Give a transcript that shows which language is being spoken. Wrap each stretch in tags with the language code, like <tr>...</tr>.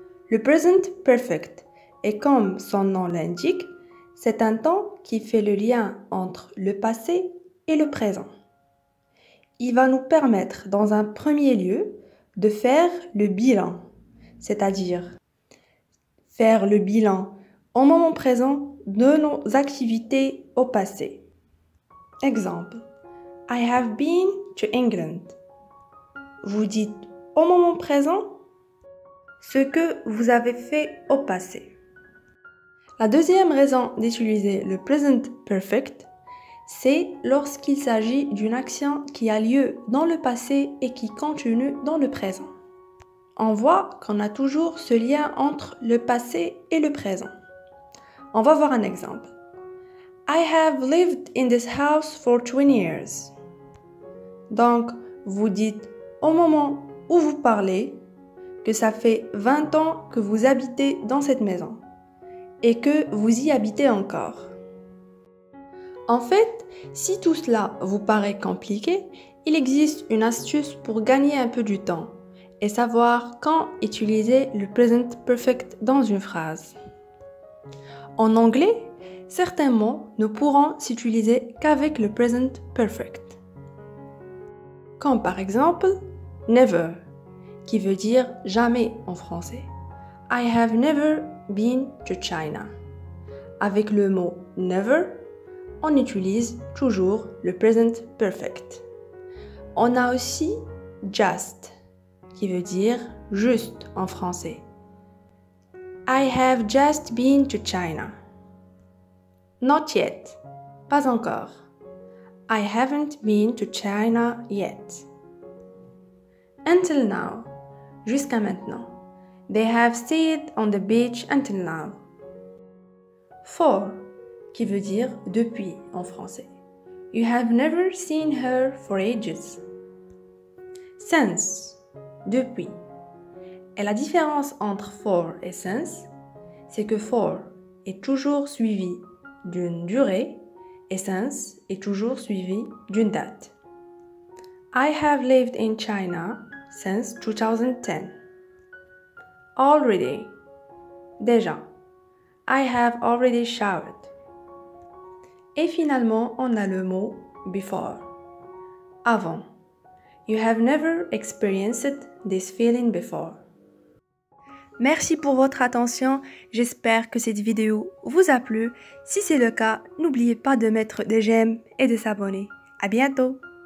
<fr>Le present perfect est comme son nom l'indique, c'est un temps qui fait le lien entre le passé et le présent. Il va nous permettre dans un premier lieu de faire le bilan, c'est-à-dire faire le bilan au moment présent de nos activités au passé.</fr> <en>Exemple, I have been to England.</en> <fr>Vous dites au moment présent ce que vous avez fait au passé. La deuxième raison d'utiliser le present perfect, c'est lorsqu'il s'agit d'une action qui a lieu dans le passé et qui continue dans le présent. On voit qu'on a toujours ce lien entre le passé et le présent. On va voir un exemple.</fr> <en>I have lived in this house for 20 years.</en> <fr>Donc, vous dites au moment où vous parlez que ça fait 20 ans que vous habitez dans cette maison et que vous y habitez encore. En fait, si tout cela vous paraît compliqué, il existe une astuce pour gagner un peu du temps et savoir quand utiliser le present perfect dans une phrase. En anglais, certains mots ne pourront s'utiliser qu'avec le present perfect. Comme par exemple, never, qui veut dire jamais en français.</fr> <en>I have never been to China.</en> <fr>Avec le mot never, on utilise toujours le present perfect. On a aussi just, qui veut dire juste en français.</fr> <en>I have just been to China. Not yet,</en> <fr>pas encore.</fr> <en>I haven't been to China yet. Until now,</en> <fr>jusqu'à maintenant.</fr> <en>They have stayed on the beach until now.</en> <fr>For, qui veut dire depuis en français.</fr> <en>You have never seen her for ages.</en> <fr>Since, depuis. Et la différence entre for et since, c'est que for est toujours suivi d'une durée. Essence est toujours suivi d'une date.</fr> <en>I have lived in China since 2010. Already. Déjà. I have already showered.</en> <fr>Et finalement, on a le mot before. Avant. You have never experienced this feeling before. Merci pour votre attention. J'espère que cette vidéo vous a plu. Si c'est le cas, n'oubliez pas de mettre des j'aime et de s'abonner. À bientôt!</fr>